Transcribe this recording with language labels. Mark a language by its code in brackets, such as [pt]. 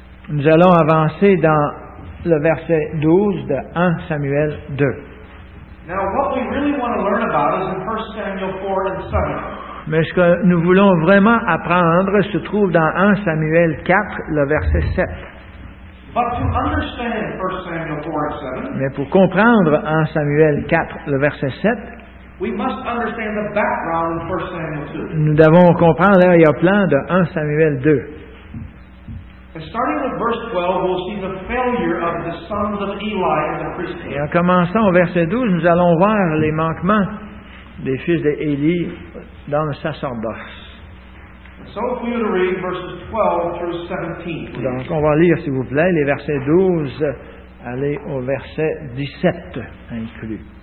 [fr] Nous allons avancer dans le verset 12 de 1 Samuel 2. [en] Now, what we really want to learn about is in 1 Samuel 4 and 7. [fr] Mais ce que nous voulons vraiment apprendre se trouve dans 1 Samuel 4, le verset 7. [en] But to understand 1 Samuel 4 and 7, [fr] mais pour comprendre 1 Samuel 4, le verset 7, [en] we must understand the background of 1 Samuel 2. [fr] Nous devons comprendre l'arrière-plan de 1 Samuel 2. [en] And starting with verse 12, we'll see the failure of the sons of Eli in the priesthood. [fr] Et en commençant au verset 12, nous allons voir les manquements des fils d'Eli dans le sacerdoce. [en] So if we were to read verses 12 through 17, please. [fr] Donc on va lire, s'il vous plaît, les versets 12, aller au verset 17 inclus.